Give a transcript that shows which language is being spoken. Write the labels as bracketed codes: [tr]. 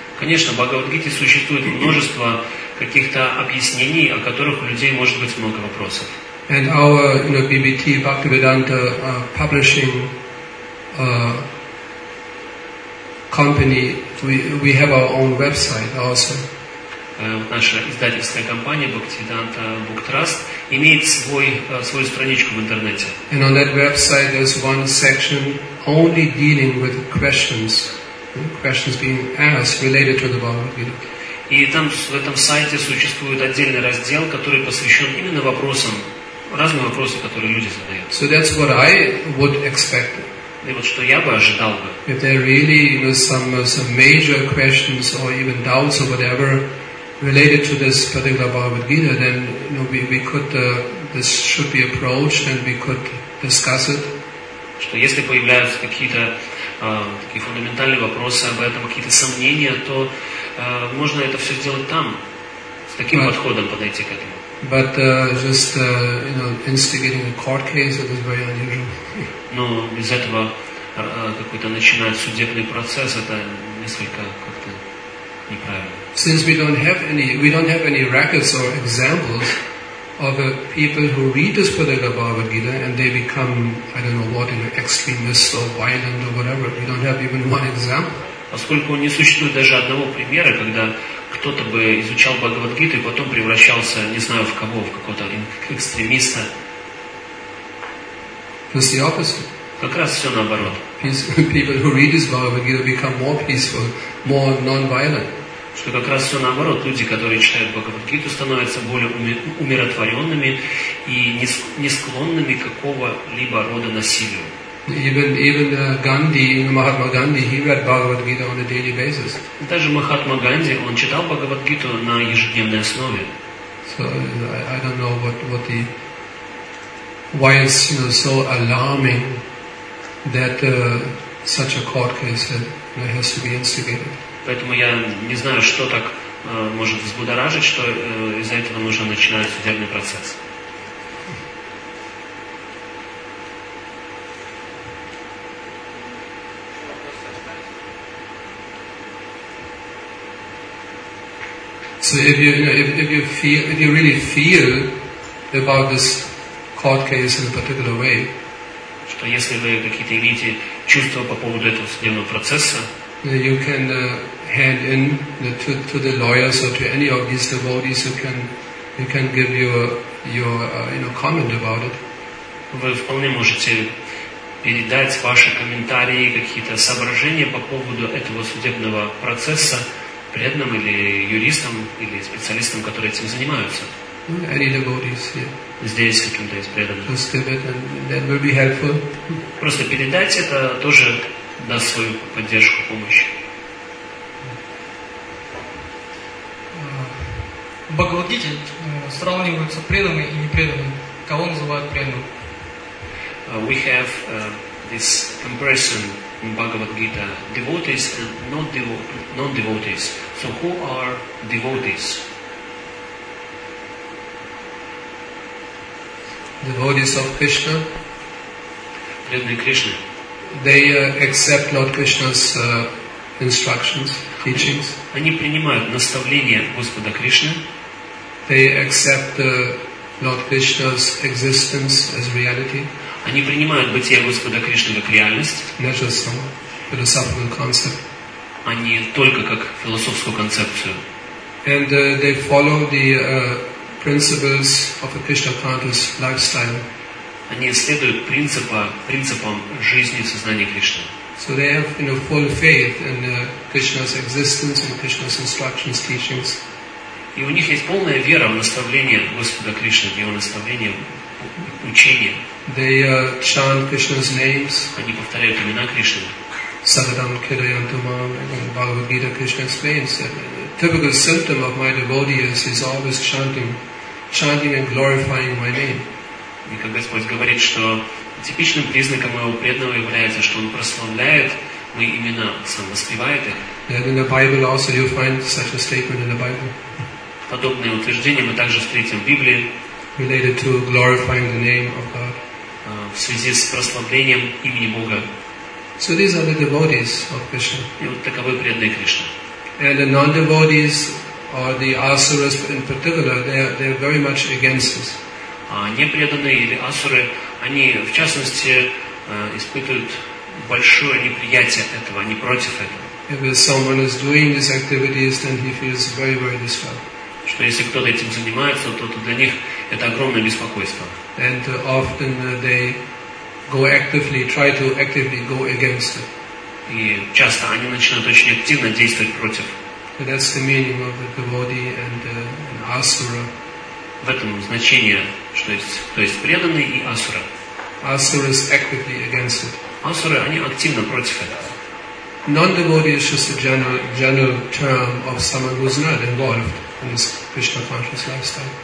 [ru] Конечно, в Бхагавад Гите существует множество каких-то объяснений, о которых у людей может быть много вопросов. [en] And our, you know, BBT Bhaktivedanta publishing company, we have our own website also. [ru] Наша издательская компания Bhaktivedanta Book Trust имеет свою страничку в интернете. [en] And on that website there's one section only dealing with questions being asked related to the Bhagavad Gita. [ru] И там в этом сайте существует отдельный раздел, который посвящен именно вопросам, разным вопросам, которые люди задают. [en] So that's what I would expect. [ru] И вот что я бы ожидал бы. [en] If there are really, you know, some major questions or even doubts or whatever related to this particular Bhagavad Gita, then, you know, we could this should be approached and we could discuss it. [ru] Что если появляются какие-то такие фундаментальные вопросы об этом, какие-то сомнения, то можно это все сделать там, с таким подходом подойти к этому. [en] But just you know, instigating a court case, it is very unusual. [ru] Но без этого какой-то начинать судебный процесс, это несколько как-то неправильно. [en] Since we don't have any records or examples of the people who read this particular Bhagavad Gita and they become, I don't know what, you know, extremists or violent or whatever. We don't have even one example. [ru] Поскольку не существует даже одного примера, когда кто-то бы изучал Бхагавад Гиту и потом превращался, не знаю, в кого, в какого-то экстремиста. [en] It's the opposite. [ru] Как раз все наоборот. [en] People who read this Bhagavad Gita become more peaceful, more non-violent. [ru] Что как раз все наоборот, люди, которые читают Бхагавад Гиту, становятся более умиротворенными и не склонными к какого-либо рода насилию. [en] Even Gandhi, Mahatma Gandhi, he read Bhagavad Gita on a daily basis. [ru] Даже Махатма Ганди, он читал Бхагавад Гиту на ежедневной основе. [en] So I don't know what the why it's, you know, so alarming that such a court case that, you know, has to be instigated. [ru] Поэтому я не знаю, что так может взбудоражить, что из-за этого нужно начинать судебный процесс. [en] So if you really feel about this court case in a particular way, [ru] что если вы какие-то имеете чувства по поводу этого судебного процесса, [en] you can hand in to the lawyers or to any of these devotees who can give your comment about it. [ru] Вы вполне можете передать ваши комментарии, какие-то соображения по поводу этого судебного процесса преданным или юристам или специалистам, которые этим занимаются. [en] Any devotees, yeah. [ru] Здесь каким-то из преданных. [en] Just give it and that will be helpful. [ru] Просто передать это тоже даст свою поддержку, помощь. В Бхагавад Гите сравниваются преданные и непреданные. Кого называют преданным? [en] We have this comparison in Bhagavad Gita, devotees and non-devotees. So who are devotees? Devotees of Krishna. [ru] Преданные Кришны. [en] They accept Lord Krishna's instructions, teachings. [ru] Они принимают наставления Господа Кришны. [en] They accept Lord Krishna's existence as reality. [ru] Они принимают бытие Господа Кришны как реальность. [en] Not just some philosophical concept. [ru] Они только как философскую концепцию. [en] And they follow the principles of a Krishna conscious lifestyle. [ru] Они следуют принципам жизни в сознании Кришны. [en] So they have, you know, full faith in Krishna's existence and Krishna's instructions, teachings. [ru] И у них есть полная вера в наставление Господа Кришны, в его наставление, учение. [en] They chant Krishna's names. [ru] Они повторяют имена Кришны. [sa] Sadam Kiriyantumam [en] and Bhagavad Gita Krishna explains that a typical symptom of my devotee is he's always chanting and glorifying my name. [ru] И как Господь говорит, что типичным признаком моего преданного является, что он прославляет мои имена, сам воспевает их. [en] And in the Bible also you find such a statement in the Bible. [ru] Подобные утверждения мы также встретим в Библии. [en] Related to glorifying the name of God. [ru] В связи с прославлением имени Бога. [en] So these are the devotees of Krishna. [ru] И вот таковы преданные Кришны. [en] And the non-devotees or the asuras in particular, they are very much against us. [ru] А непреданные или асуры, они в частности испытывают большое неприятие этого, они против этого. [en] If someone is doing these activities, then he feels very, very disturbed. [ru] Что если кто-то этим занимается, то для них это огромное беспокойство. [en] And often they go actively, try to actively go against it. [ru] И часто они начинают очень активно действовать против. [en] And that's the meaning of the devotee and asura. [ru] В этом значение, что есть, то есть преданный и асура. [en] Asura is actively against it. [ru] Асуры, они активно против этого. [en] Non-devotee is just a general term of someone who's not involved in this Krishna conscious lifestyle.